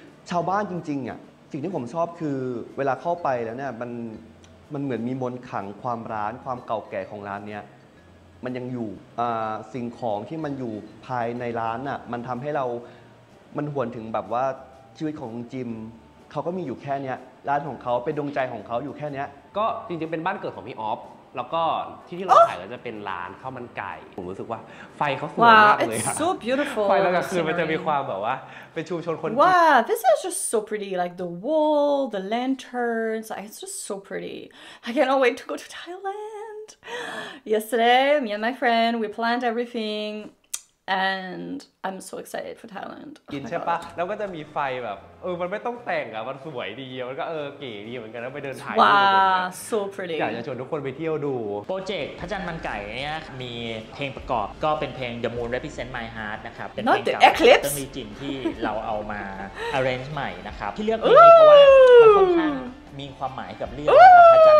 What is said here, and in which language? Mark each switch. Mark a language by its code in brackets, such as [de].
[th] ชาวบ้านจริงๆอ่ะสิ่งที่ผมชอบคือเวลาเข้าไปแล้วเนี่ยมันเหมือนมีมนต์ขังความร้านความเก่าแก่ของร้านเนี่ยมันยังอยู่สิ่งของที่มันอยู่ภายในร้านอ่ะมันทำให้เรามันหวนถึงแบบว่าชีวิตของจิมเขาก็มีอยู่แค่นี้ร้านของเขาเป็นดวงใจของเขาอยู่แค่นี้ก็จริงๆเป็นบ้านเกิดของพี่ออฟแล้วก็ที่ที่เราถ่ายก็จะเป็นร้านข้าวมันไก่ผมรู้สึกว่าไฟเขาสวยมากเลยค่ะ [en] so beautiful [th] ไฟแล้วก็คือมันจะมีความแบบว่าเป็นชุมชนคน [en] wow this is just so pretty like the wall the lanterns it's just so pretty I cannot wait to go to Thailand yesterday me and my friend we planned everythingand I'm so excited for Thailand [th] กินใช่ป่ะแล้วก็จะมีไฟแบบเออมันไม่ต้องแต่งอ่ะมันสวยดีมันก็เออเก๋ดีเหมือนกันแล้วไปเดินถ่าย [en] ว้า so pretty [th] อยากจะชวนทุกคนไปเที่ยวดู โปรเจกต์พระจันทร์มันไก่เนี่ยมีเพลงประกอบก็เป็นเพลง The Moon Represent My Heart นะครับเป็ นเพลง เก่า จะมีจินที่เราเอามา arrange ใหม่นะครับที่เลือกเพลงนี้เพราะว่ามันค่อนข้างมีความหมายกับเรื่องพระจันทร